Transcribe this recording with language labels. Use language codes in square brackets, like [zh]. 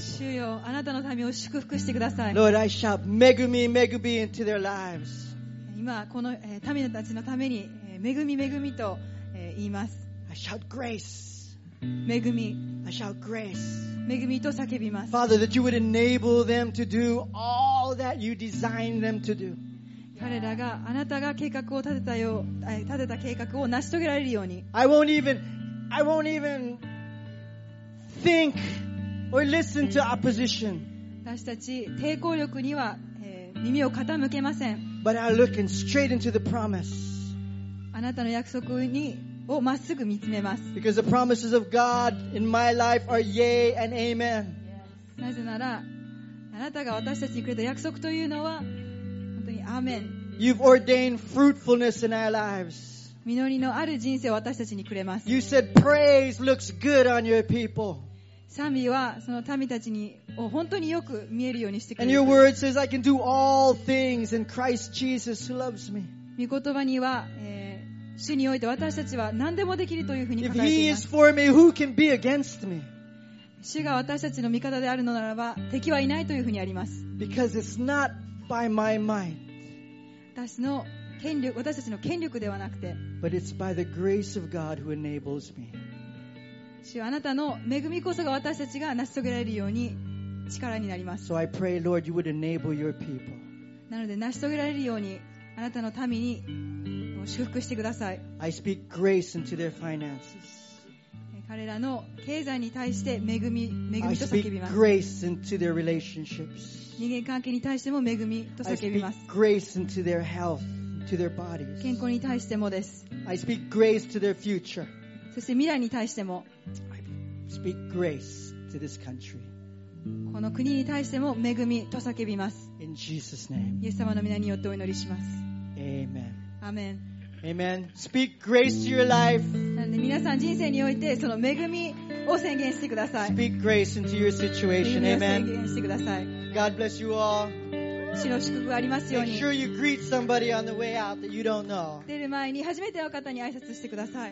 [ja] 主よ、あなたの民を祝福してください。 [en] Lord, I shout, "Megumi, Megumi" into their lives. [ja] 今この民たちのために恵み恵みと言います。 [en] I shout grace. [ja] 恵み。 [en] I shout grace. [ja] 恵みと叫びます。 [en] Father, that you would enable them to do all that you designed them to do. [ja] 彼らがあなたが計画を立てた計画を成し遂げられるように。 [en] I won't even think or listen to opposition. [ja] 私たち抵抗力には耳を傾けません。 [en] But I look straight into the promise. [ja] あなたの約束にをまっすぐ見つめます。 [en] Because the promises of God in my life are yea and amen. [ja] なぜなら、あなたが私たちにくれた約束というのは本当にアーメン。 [en] You've ordained fruitfulness in our lives. [ja] 実りのある人生を私たちにくれます。 [en] You said praise looks good on your people. [ja] 賛美はその民たちに本当によく見えるようにしてくれます。 [en] And your word says I can do all things in Christ Jesus who loves me. [ja] 御言葉には、主において私たちは何でもできるというふうに書かれています。 [en] If He is for me, who can be against me? [ja] 主が私たちの味方であるのならば敵はいないというふうにあります。 [en] Because it's not by my mind. [ja] 私の権力、私たちの権力ではなくて [en] But it's by the grace of God who enables me. [ja] 主はあなたの恵みこそが私たちが成し遂げられるように力になります。 [en] So I pray, Lord, you would enable your people. [ja] なので成し遂げられるようにあなたの民に祝福してください。 [en] I speak grace into their finances. [ja] 彼らの経済に対して恵みと叫びます。 [en] I speak grace into their relationships. [ja] 人間関係に対しても恵みと叫びます。 [en] I speak grace into their health. To their bodies. [ja] 健康に対してもです。 [en] I speak grace to their future. [ja] そして未来に対しても。 [en] I speak grace to this country. [ja] この国に対しても恵みと叫びます。 [en] In Jesus' name. [ja] イエス様の皆によってお祈りします。 [en] Amen. Amen. Amen. Speak grace to your life. [ja] なので皆さん人生においてその恵みを宣言してください。 [en] Speak grace into your situation. Amen. [ja] 宣言してください。 [en] God bless you all. [ja] 主の祝福がありますように。 [en] Make sure you greet somebody on the way out that you don't know. [ja] 出る前に初めての方に挨拶してください。